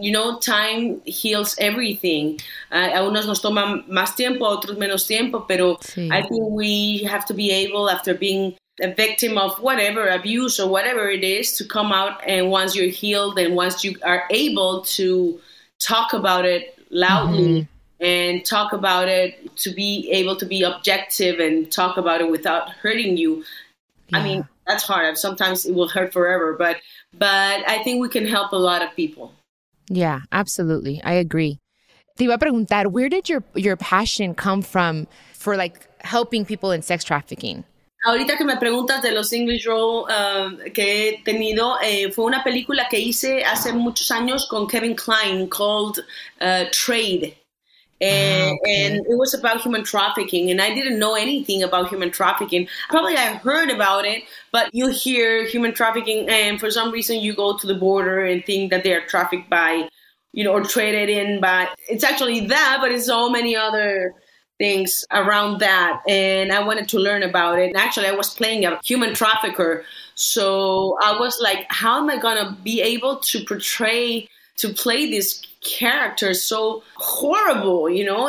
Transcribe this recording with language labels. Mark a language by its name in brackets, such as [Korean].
[English] You know, time heals everything. [Spanish] A unos nos toma más tiempo, a otros menos tiempo, pero sí. [English] I think we have to be able, after being a victim of whatever, abuse or whatever it is, to come out, and once you're healed and once you are able to talk about it loudly and talk about it, to be able to be objective and talk about it without hurting you. Yeah. I mean, that's hard. Sometimes it will hurt forever, but I think we can help a lot of people. Yeah, absolutely. I agree. [Spanish] Te iba a preguntar, [English] where did your passion come from for like helping people in sex trafficking? [Spanish] Ahorita que me preguntas de los English role que he tenido, fue una película que hice hace muchos años con Kevin Kline [English] called Trade. And it was about human trafficking. And I didn't know anything about human trafficking. Probably I heard about it, but you hear human trafficking and for some reason you go to the border and think that they are trafficked by, you know, or traded in by. It's actually that, but it's so many other things around that, and I wanted to learn about it. And actually, I was playing a human trafficker, so I was like, how am I gonna be able to portray, to play this character so horrible, you know?